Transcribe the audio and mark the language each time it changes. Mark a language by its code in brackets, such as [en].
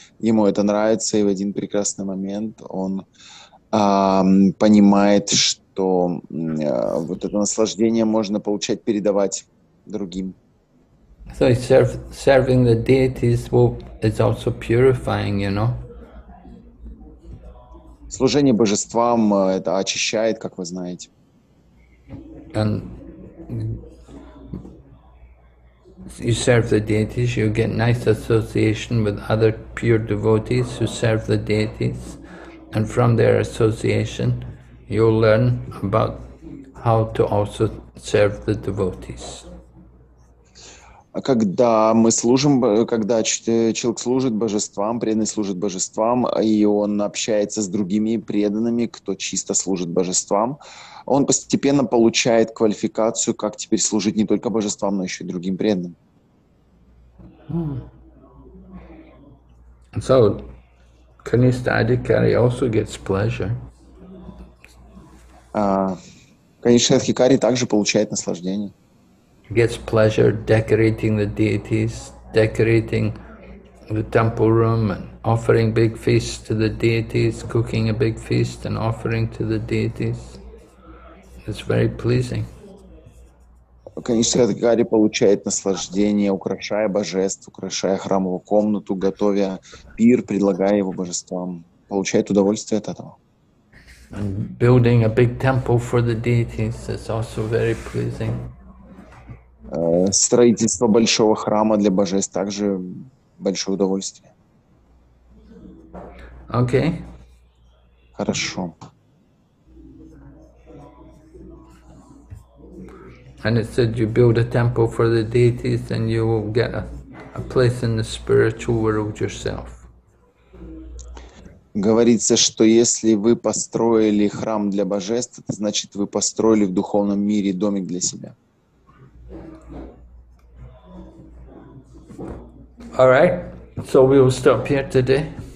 [ru] Ему это нравится, и в один прекрасный момент он понимает, что вот это наслаждение можно получать, передавать другим. [en] So serving the deities is also purifying, you know. [ru] Служение божествам это очищает, как вы знаете. [en] And you serve the deities, you get nice association with other pure devotees who serve the deities. And from their association, you'll learn about how to also serve the devotees. [ru] Когда мы служим, когда человек служит божествам, преданный служит божествам, и он общается с другими преданными, кто чисто служит божествам, он постепенно получает квалификацию, как теперь служить не только божествам, но еще и другим преданным. [en] So, Kanishtha Adhikari also gets pleasure. [ru] Kanishtha Adhikari также получает наслаждение. [en] Gets pleasure decorating the deities, decorating the temple room and offering big feasts to the deities, cooking a big feast and offering to the deities. It's very pleasing. [ru] Kanishtha Adhikari получает наслаждение, украшая божество, украшая храмовую комнату, готовя пир, предлагая его божествам, получает удовольствие от этого. [en] And building a big temple for the deities is also very pleasing. [ru] Строительство большого храма для божеств также большое удовольствие. Окей. Хорошо. [en] And it said you build a temple for the deities and you will get a place in the spiritual world yourself. [ru] Говорится, что если вы построили храм для божеств, это значит, вы построили в духовном мире домик для себя. [en] All right, so we will stop here today.